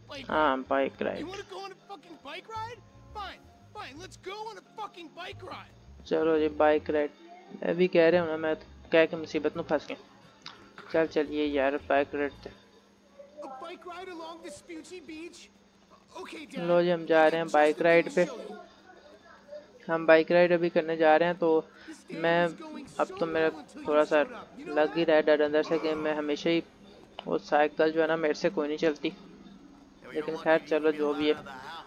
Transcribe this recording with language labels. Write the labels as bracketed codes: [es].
[en] हाँ bike ride. You want to go on a fucking bike ride? Fine. Let's go on a fucking bike ride. [hi] चलो जी bike ride. मैं भी कह रहे हूँ ना, मैं तो कह के मुसीबत में फंस गया। चल चलिए यार बाइक राइड थे। [en] A bike ride along the Spooky Beach. Okay, Dad. [hi] लो जी हम जा रहे हैं बाइक राइड पे। हम बाइक राइड अभी करने जा रहे हैं, तो मैं अब तो मेरा थोड़ा सा लग ही रहा है डर अंदर से कि मैं हमेशा ही वो साइकिल जो है ना मेरे से कोई नहीं चलती, लेकिन खैर चलो जो भी है।